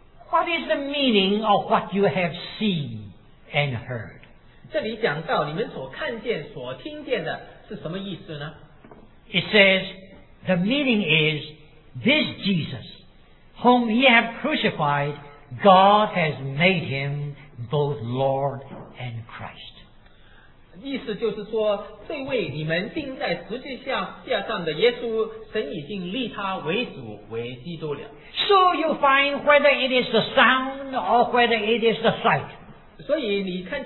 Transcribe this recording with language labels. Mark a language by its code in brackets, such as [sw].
[en] What is the meaning of what you have seen and heard? [zh] 这里讲到你们所看见所听见的是什么意思呢? [en] It says, the meaning is, this Jesus, whom ye have crucified, God has made him both Lord and Christ. [zh] 意思就是说,这位你们钉在十字架上的耶稣,神已经立他为主,为基督了。 [en] So you find whether it is the sound or whether it is the sight.